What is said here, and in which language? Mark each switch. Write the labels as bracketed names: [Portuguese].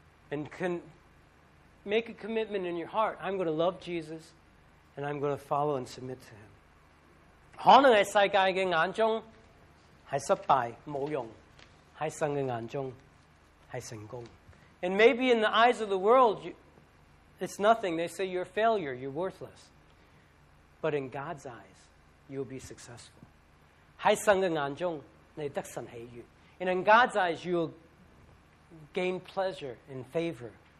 [English] And can make a commitment in your heart. I'm going to love Jesus, and I'm going to follow and submit to Him. [Chinese] 可能喺世界嘅眼中系失败，冇用。在神的眼中, [English] and maybe in the eyes of the world, it's nothing. They say you're a failure, you're worthless. But in God's eyes, you'll be successful. [Chinese] 在神的眼中, [English] and in God's eyes, you'll gain pleasure and favor.